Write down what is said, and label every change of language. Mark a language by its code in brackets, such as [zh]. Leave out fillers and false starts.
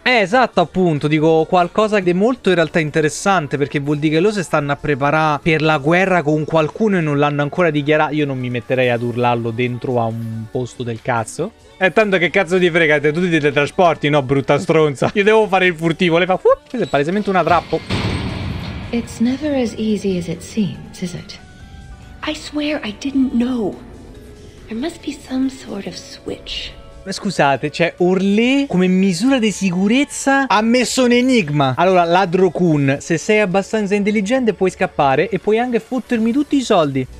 [it] Esatto, appunto. Dico qualcosa che è molto in realtà interessante. Perché vuol dire che loro si stanno a preparare per la guerra con qualcuno e non l'hanno ancora dichiarato. Io non mi metterei ad urlarlo dentro a un posto del cazzo. E tanto che cazzo ti frega, tu ti teletrasporti, no, brutta stronza. Io devo fare il furtivo, le fa... Questo è palesemente un attrappo. [en] It's never as easy as it seems, is it? I swear I didn't know. There must be some sort of switch. [it] Scusate, cioè Orlé come misura di sicurezza ha messo un enigma. Allora, ladro Kun, se sei abbastanza intelligente puoi scappare e puoi anche fottermi tutti i soldi.